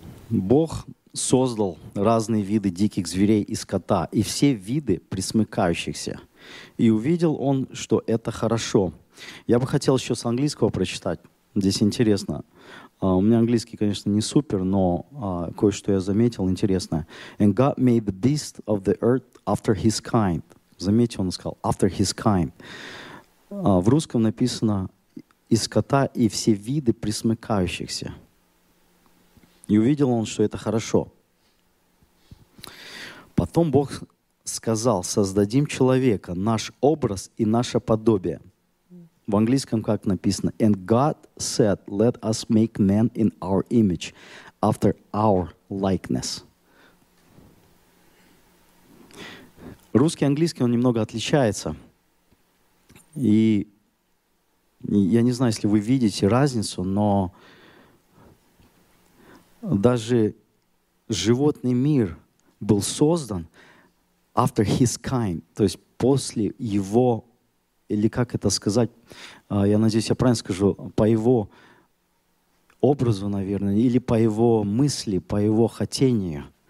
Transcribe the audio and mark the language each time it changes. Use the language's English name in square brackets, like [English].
[Russian] Бог создал разные виды диких зверей и скота, и все виды пресмыкающихся. И увидел он, что это хорошо. Я бы хотел еще с английского прочитать. Здесь интересно. У меня английский, конечно, не супер, но кое-что я заметил интересное. [English] And God made the beast of the earth after his kind. [Russian] Заметьте, он сказал, [English] after his kind. [Russian] В русском написано, из скота и все виды пресмыкающихся. И увидел он, что это хорошо. Потом Бог сказал: создадим человека наш образ и наше подобие. В английском как написано? [English] And God said, let us make man in our image, after our likeness. [Russian] Русский и английский, он немного отличается. И я не знаю, если вы видите разницу, но даже животный мир был создан [English] after his kind, [Russian] то есть после его, или как это сказать, я надеюсь, я правильно скажу, по его образу, наверное, или по его мысли, по его хотению.